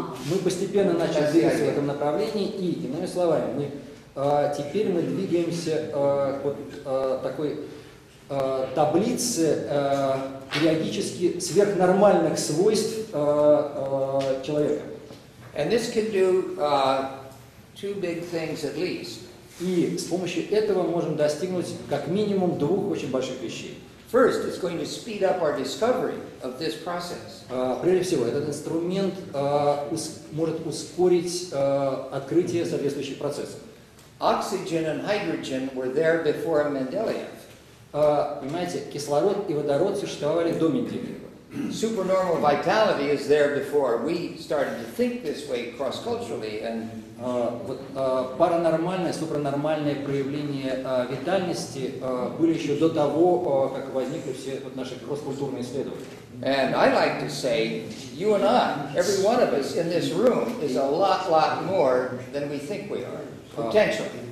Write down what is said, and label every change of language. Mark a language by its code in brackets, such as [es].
[ru] Мы постепенно начали двигаться в этом направлении, и иными словами, мы теперь мы двигаемся к вот такой таблице периодически сверхнормальных свойств человека. [en] And this can do two big things at least. [ru] И с помощью этого мы можем достигнуть как минимум двух очень больших вещей. [en] First, it's going to speed up our discovery of this process. [ru] Прежде всего, этот инструмент может ускорить открытие соответствующих процессов. [en] Oxygen and hydrogen were there before Mendeleev. [ru] Понимаете, кислород и водород существовали до Менделеева. [en] Supernormal vitality is there before we started to think this way cross-culturally and [ru] паранормальное, супранормальное проявление витальности были еще до того, как возникли все вот наши кросс-культурные исследования. [en] And I like to say, you and I, every one of us in this room is a lot more than we think we are, potentially.